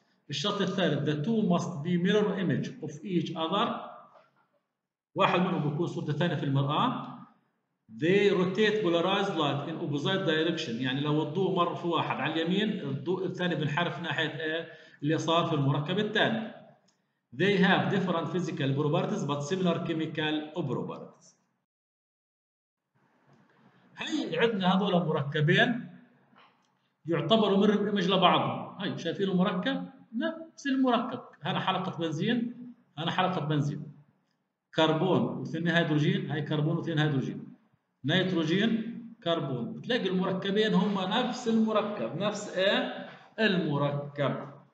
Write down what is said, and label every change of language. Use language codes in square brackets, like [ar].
[ar] الشرط الثالث [en] the two must be mirror image of each other، [ar] واحد منهم بيكون صورة الثاني في المرآة. [en] they rotate polarized light in opposite direction، [ar] يعني لو الضوء مر في واحد على اليمين الضوء الثاني بنحرف ناحية اليسار في المركب الثاني. [en] They have different physical properties but similar chemical properties. [ar] هاي عندنا هذول المركبين يعتبروا مرر ايمج لبعضهم، هاي شايفين المركب؟ نفس المركب، هنا حلقة بنزين، هنا حلقة بنزين. كربون واثنين هيدروجين، هاي كربون واثنين هيدروجين. نيتروجين، كربون، بتلاقي المركبين هم نفس المركب، نفس المركب.